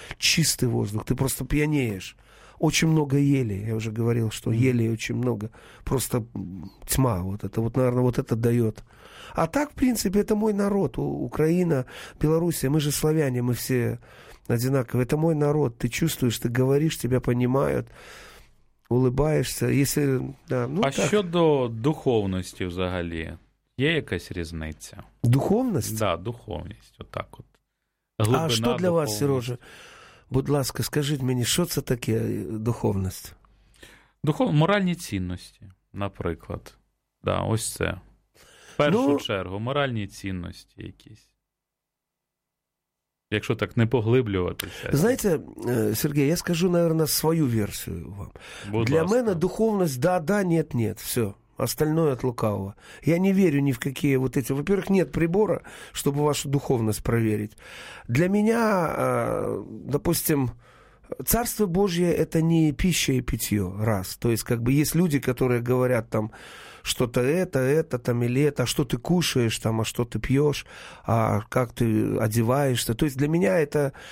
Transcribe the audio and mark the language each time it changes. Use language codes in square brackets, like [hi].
[ru] Чистый воздух, ты просто пьянеешь. Очень много ели, я уже говорил, что ели очень много. Просто тьма, вот это вот, наверное, вот это дает. А так, в принципе, это мой народ. Украина, Белоруссия, мы же славяне, мы все одинаковые. Это мой народ, ты чувствуешь, ты говоришь, тебя понимают. улыбаешься. Если, да, ну, а так. [uk] Щодо духовності взагалі, є якась різниця? Духовність? Так, да, духовність, отак от. Глибина, а що для вас, Сережа? Будь ласка, скажіть мені, що це таке духовність? Моральні цінності, наприклад. Да, ось це. В першу чергу, моральні цінності якісь. Якщо так не поглиблюватися. Знаєте, Сергій, я скажу, наверное, свою версію вам. Будь для ласка. Мене духовність, да-да, ні-ні, все. [ru] Остальное от лукавого. Я не верю ни в какие вот эти... Во-первых, нет прибора, чтобы вашу духовность проверить. Для меня, допустим, Царство Божье – это не пища и питье, раз. То есть, как бы, есть люди, которые говорят там что-то это, там, или это, а что ты кушаешь там, а что ты пьешь, а как ты одеваешься. То есть, для меня это...